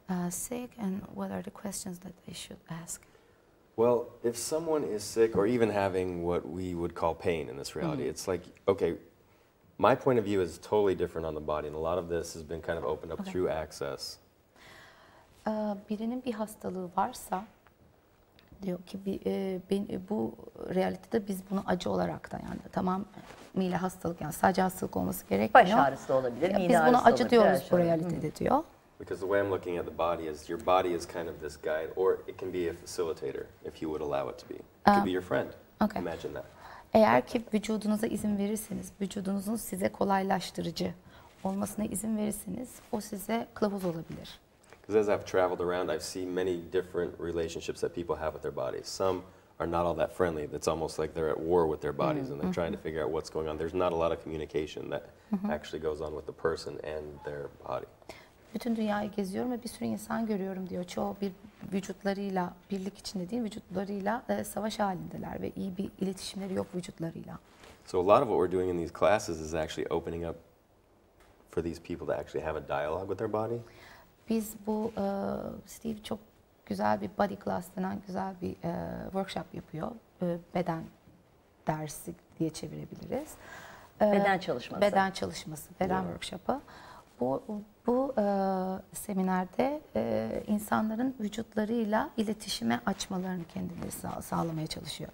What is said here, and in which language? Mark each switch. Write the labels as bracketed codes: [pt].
[en] Sick and what are the questions that they should ask? Well, if someone is sick or even having what we would call pain in this reality, it's like, okay, my point of view is totally different on the body and a lot of this has been kind of opened up through access. [tr] Birinin bir hastalığı varsa diyor ki bu realitede biz bunu acı olarak da yani tamamıyla hastalık yani sadece hastalık olması gerekmiyor. Baş ağrısı da olabilir, mide ağrısı. Biz buna acı diyoruz bu realitede diyor. [en] Because the way I'm looking at the body is your body is kind of this guide or it can be a facilitator if you would allow it to be. It could be your friend. Okay. Imagine that. [tr] Eğer ki vücudunuza izin verirseniz, vücudunuzun size kolaylaştırıcı olmasına izin verirseniz o size kılavuz olabilir. [en] Because as I've traveled around I've seen many different relationships that people have with their bodies. Some are not all that friendly. It's almost like they're at war with their bodies and they're trying to figure out what's going on. There's not a lot of communication that actually goes on with the person and their body. [tr] Bütün dünyayı geziyorum ve bir sürü insan görüyorum diyor. Çoğu bir vücutlarıyla, birlik içinde değil, vücutlarıyla savaş halindeler ve iyi bir iletişimleri yok vücutlarıyla. [en] So a lot of what we're doing in these classes is actually opening up for these people to actually have a dialogue with their body. [tr] Biz bu Steve çok güzel bir body class denen güzel bir workshop yapıyor. Beden dersi diye çevirebiliriz. Beden çalışması. Beden çalışması, beden workshop'ı. Bu seminerde insanların vücutlarıyla iletişime açmalarını kendileri sağlamaya çalışıyor.